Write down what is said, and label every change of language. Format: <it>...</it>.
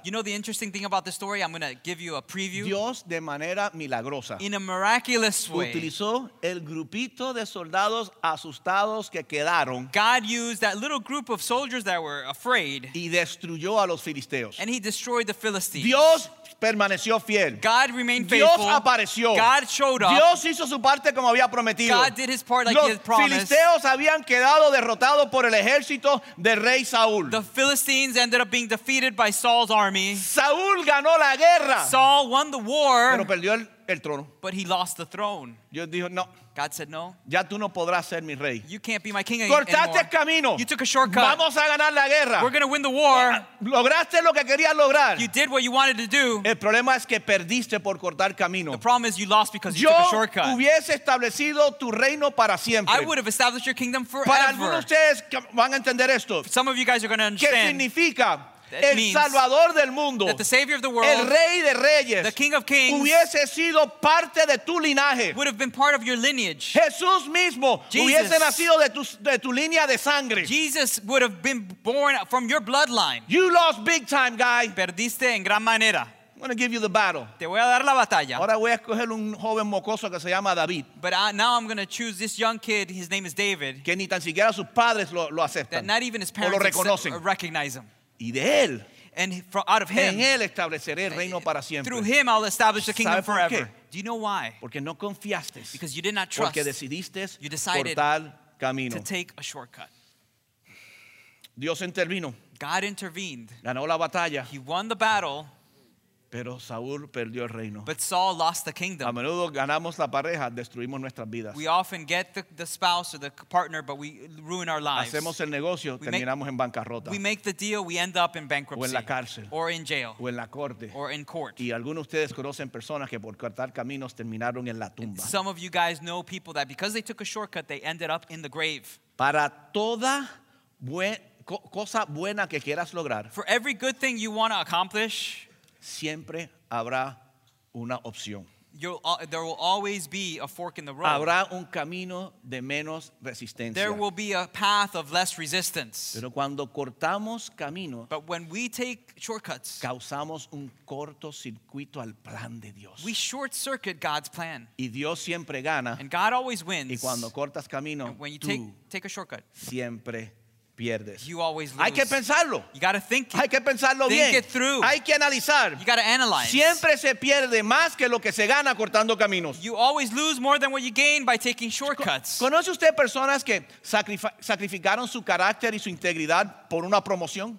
<en>You know the interesting thing about the story? I'm going to give you a preview.</en> <es>Dios de manera milagrosa.</es> <en>In a miraculous way.</en> <es>Utilizó el grupito de soldados asustados que quedaron.</es> <en>God used that little group of soldiers that were afraid.</en> <es>Y destruyó a los filisteos.</es> <en>And he destroyed the Philistines.</en> <es>Dios permaneció fiel.</es> <en>God remained faithful.</en> <es>Dios apareció.</es> <en>God showed up.</en> <es>Dios hizo su parte como había prometido.</es> <en>God did his part like</en> <es>los</es> <en>he had promised.</en> <es>Filisteos habían quedado derrotados por el ejército del rey Saúl.</es> <en>The Philistines ended up being defeated by Saul's army.</en> <es>Saúl ganó la guerra.</es> <en>Saul won the war.</en> <es>Pero perdió el trono.</es> <en>But he lost the throne.</en> <es>Dios dijo, no.</es> <en>God said no.</en> <es>Ya tú no podrás ser mi rey.</es> <en>You can't be my king</en> <es>cortaste</es> <en>anymore.</en> <es>Camino.</es> <en>You took a shortcut.</en> <es>Vamos a ganar la guerra.</es> <en>We're going to win the war.</en> <es>Lograste lo que querías lograr.</es> <en>You did what you wanted to do.</en> <es>El problema es que perdiste por cortar camino.</es> <en>The problem is you lost because</en> <es>yo</es> <en>you took a shortcut.</en> <es>Yo hubiese establecido tu reino para siempre.</es> <en>I would have established your kingdom forever.</en> <es>Para algunos de ustedes van a entender esto.</es> <en>Some of you guys are going to understand.</en> <es>¿Qué significa? El Salvador del mundo,</es> <en>that the Savior of the world,</en> <es>el Rey de Reyes,</es> <en>the King of Kings,</en> <es>hubiese sido parte de tu linaje,</es> <en>would have been part of your lineage.</en> <es>Jesús mismo,</es> <en>Jesus,</en> <es>hubiese nacido de tu línea de sangre.</es> <en>Jesus would have been born from your bloodline. You lost big time, guy.</en> <es>Perdiste en gran manera.</es> <en>I'm going to give you the battle.</en> <es>Te voy a dar la batalla. Ahora voy a escoger un joven mocoso que se llama David.</es> <en>But now I'm going to choose this young kid. His name is David.</en> <es>Que ni tan siquiera sus padres lo aceptan.</es> <en>That not even his parents</en> <es>o lo reconocen.</es> <en>Recognize him.</en> <es>Y de él,</es> <en>and from, out of him,</en> <es>en él estableceré el reino para siempre.</es> <en>Through him I'll establish the kingdom forever. Do you know why?</en> <es>Porque no confiaste.</es> <en>Because you did not trust.</en> <es>Porque decidiste</es> <en>you decided</en> <es>cortar camino.</es> <en>To take a shortcut.</en> <es>Dios intervino.</es> <en>God intervened.</en> <es>Ganó la batalla.</es> <en>He won the battle.</en> <es>Pero Saúl perdió el reino.</es> <en>But Saul lost the kingdom.</en> <es>A menudo ganamos la pareja, destruimos nuestras vidas.</es> <en>We often get the spouse or the partner, but we ruin our lives.</en> <es>Hacemos el negocio, terminamos en bancarrota.</es> <en>We make the deal, we end up in bankruptcy.</en> <es>O en la cárcel.</es> <en>Or in jail.</en> <es>O en la corte.</es> <en>Or in court.</en> <es>Y algunos de ustedes conocen personas que por cortar caminos terminaron en la tumba.</es> <en>And some of you guys know people that because they took a shortcut, they ended up in the grave.</en> <es>Para toda cosa buena que quieras lograr.</es> <en>For every good thing you want to accomplish.</en> <es>Siempre habrá una opción.</es> <en>There will always be a fork in the road.</en> <es>Habrá un camino de menos resistencia.</es> <en>There will be a path of less resistance.</en> <es>Pero cuando cortamos camino,</es> <en>but when we take shortcuts,</en> <es>causamos un cortocircuito al plan de Dios.</es> <en>We short circuit God's plan.</en> <es>Y Dios siempre gana.</es> <en>And God always wins.</en> <es>Y cuando cortas camino,</es> <en>and when you take a shortcut,</en> <es>siempre pierdes.</es> <en>You always lose.</en> <es>Hay que pensarlo.</es> <en>You got to think.</en> <es>Hay que pensarlo</es> <en>think</en> <es>bien.</es> <en>Think it through.</en> <es>Hay que analizar.</es> <en>You got to analyze.</en> <es>Siempre se pierde más que lo que se gana cortando caminos.</es> <en>You always lose more than what you gain by taking shortcuts.</en> <es>¿Conoce usted personas que sacrificaron su carácter y su integridad por una promoción?</es>